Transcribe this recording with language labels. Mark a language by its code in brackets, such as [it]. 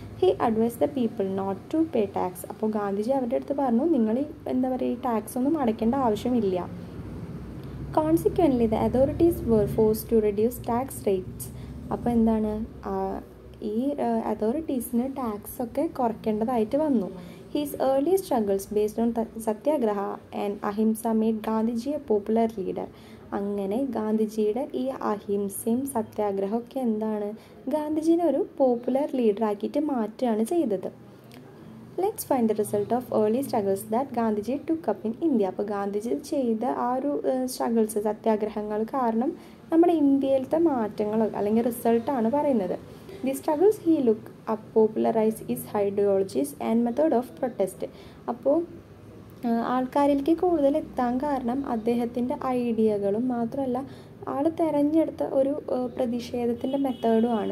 [en] He advise the people not to pay tax. [ml] അപ്പോൾ ഗാന്ധിജി അവരുടെ അടുത്ത് പറഞ്ഞു, നിങ്ങൾ എന്താ പറയുക, ഈ ടാക്സ് ഒന്നും അടയ്ക്കേണ്ട ആവശ്യമില്ല. [en] Consequently the authorities were force to reduce tax rates. [ml] അപ്പോൾ എന്താണ്, ഈ അതോറിറ്റീസിന് ടാക്സ് ഒക്കെ കുറയ്ക്കേണ്ടതായിട്ട് വന്നു. [en] His early struggles based on satyagraha and ahimsa made Gandhiji a popular leader. [ml] അങ്ങനെ ഗാന്ധിജിയുടെ ഈ അഹിംസയും സത്യാഗ്രഹമൊക്കെ എന്താണ് ഗാന്ധിജീനെ ഒരു പോപ്പുലർ ലീഡറാക്കിയിട്ട് മാറ്റുകയാണ് ചെയ്തത്. [en] Let's find the result of early struggles that Gandhiji took up in India. [ml] അപ്പോൾ ഗാന്ധിജി ചെയ്ത ആ ഒരു സ്ട്രഗിൾസ്, സത്യാഗ്രഹങ്ങൾ കാരണം നമ്മുടെ ഇന്ത്യയിലത്തെ മാറ്റങ്ങൾ അല്ലെങ്കിൽ റിസൾട്ടാണ് പറയുന്നത്. [en] The struggles he look up popularize is ideologies and method of protest. [ml] അപ്പോൾ ആൾക്കാരിലേക്ക് കൂടുതൽ എത്താൻ കാരണം അദ്ദേഹത്തിൻ്റെ ഐഡിയകളും മാത്രമല്ല ആൾ തിരഞ്ഞെടുത്ത ഒരു പ്രതിഷേധത്തിൻ്റെ മെത്തേഡും ആണ്.